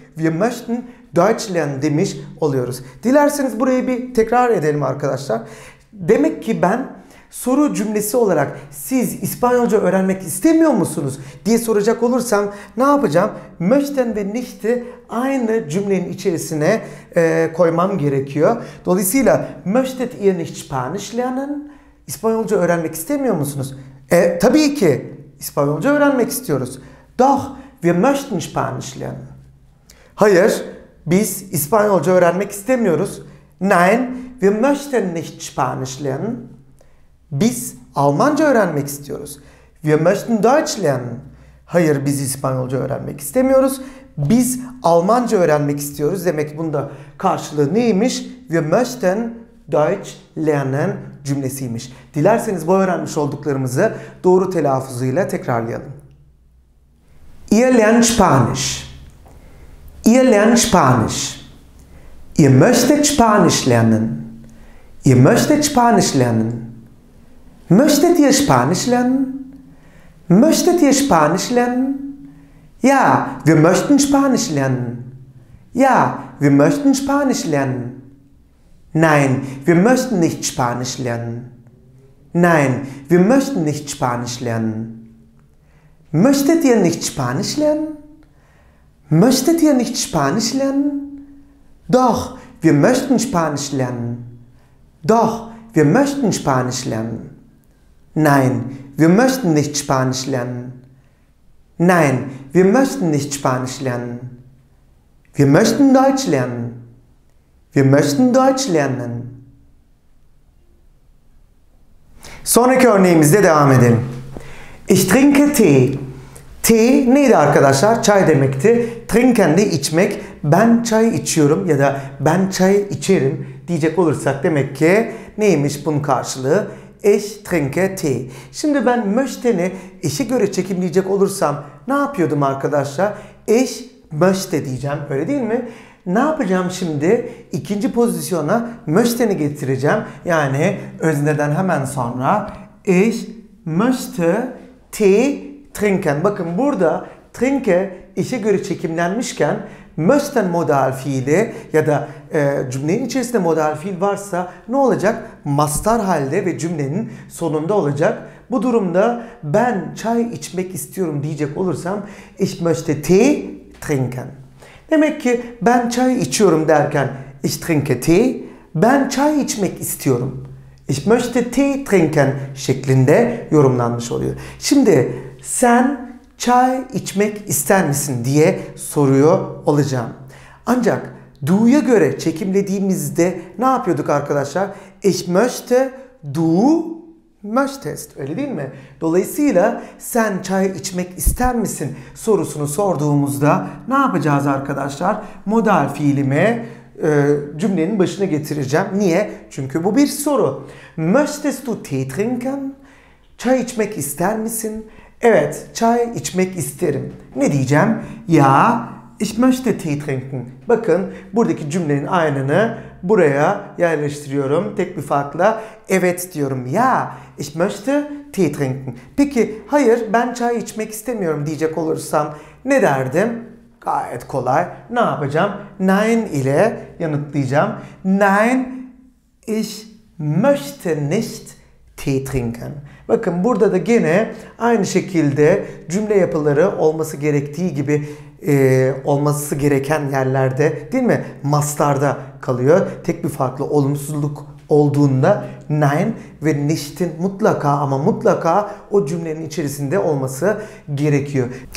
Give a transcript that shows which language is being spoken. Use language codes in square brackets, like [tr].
[de] Wir möchten Deutsch lernen [tr] demiş oluyoruz. Dilerseniz burayı bir tekrar edelim arkadaşlar. Demek ki ben soru cümlesi olarak siz İspanyolca öğrenmek istemiyor musunuz diye soracak olursam ne yapacağım? Möchten ve nicht'i aynı cümlenin içerisine koymam gerekiyor. Dolayısıyla [de] möchtet ihr nicht Spanisch lernen? [tr] İspanyolca öğrenmek istemiyor musunuz? Tabii ki İspanyolca öğrenmek istiyoruz. [de] Doch wir möchten Spanisch lernen. [tr] Hayır, biz İspanyolca öğrenmek istemiyoruz. [de] Nein, wir möchten nicht Spanisch lernen. [tr] Biz Almanca öğrenmek istiyoruz. [de] Wir möchten Deutsch lernen. [tr] Hayır, biz İspanyolca öğrenmek istemiyoruz. Biz Almanca öğrenmek istiyoruz. Demek ki bunun da karşılığı neymiş? [de] Wir möchten Deutsch lernen [tr] cümlesiymiş. Dilerseniz bu öğrenmiş olduklarımızı doğru telaffuzuyla tekrarlayalım. [de] Ihr lernt Spanisch. Ihr lernt Spanisch. Ihr möchtet Spanisch lernen. Ihr möchtet Spanisch lernen. Möchtet ihr Spanisch lernen? Möchtet ihr Spanisch lernen? Ja, wir möchten Spanisch lernen. Ja, wir möchten Spanisch lernen. Nein, wir möchten nicht Spanisch lernen. Nein, wir möchten nicht Spanisch lernen. Möchtet ihr nicht Spanisch lernen? Möchtet ihr nicht Spanisch lernen? Doch, wir möchten Spanisch lernen. Doch, wir möchten Spanisch lernen. Nein, wir möchten nicht Spanisch lernen. Nein, wir möchten nicht Spanisch lernen. Wir möchten Deutsch lernen. Wir möchten Deutsch lernen. [tr] Sonraki örneğimizde devam edelim. [de] Ich trinke Tee. [tr] Tee neydi arkadaşlar? Çay demekti. Trinken de içmek. Ben çay içiyorum ya da ben çay içerim diyecek olursak demek ki neymiş bunun karşılığı? [de] Ich trinke Tee. [tr] Şimdi ben möchten'i ich'e göre çekimleyecek olursam ne yapıyordum arkadaşlar? [de] Ich möchte [tr] diyeceğim, öyle değil mi? Ne yapacağım şimdi? İkinci pozisyona möchten'i getireceğim. Yani özneden hemen sonra [de] ich möchte Tee trinken. [tr] Bakın burada trinke ich'e göre çekimlenmişken möchten modal fiili ya da cümlenin içerisinde modal fiil varsa ne olacak? Mastar halde ve cümlenin sonunda olacak. Bu durumda ben çay içmek istiyorum diyecek olursam [de] ich möchte Tee trinken. [tr] Demek ki ben çay içiyorum derken [de] ich trinke Tee, [tr] ben çay içmek istiyorum. [de] Ich möchte Tee trinken [tr] şeklinde yorumlanmış oluyor. Şimdi sen çay içmek ister misin diye soruyor olacağım. Ancak du'ya göre çekimlediğimizde ne yapıyorduk arkadaşlar? [de] Ich möchte, du möchtest, [tr] öyle değil mi? Dolayısıyla sen çay içmek ister misin sorusunu sorduğumuzda ne yapacağız arkadaşlar? Modal fiilimi cümlenin başına getireceğim. Niye? Çünkü bu bir soru. [de] Möchtest du Tee trinken? [tr] Çay içmek ister misin? Evet, çay içmek isterim. Ne diyeceğim? [de] Ja, ich möchte Tee trinken. [tr] Bakın, buradaki cümlenin aynını buraya yerleştiriyorum tek bir farkla. Evet diyorum. [de] Ya, ich möchte Tee trinken. [tr] Peki, hayır, ben çay içmek istemiyorum diyecek olursam ne derdim? Gayet kolay. Ne yapacağım? Nein ile yanıtlayacağım. [de] Nein, ich möchte nicht Tee trinken. [tr] Bakın burada da gene aynı şekilde cümle yapıları olması gerektiği gibi olması gereken yerlerde, değil mi? Mastarda kalıyor. Tek bir farklı olumsuzluk olduğunda nein ve nicht'in mutlaka ama mutlaka o cümlenin içerisinde olması gerekiyor.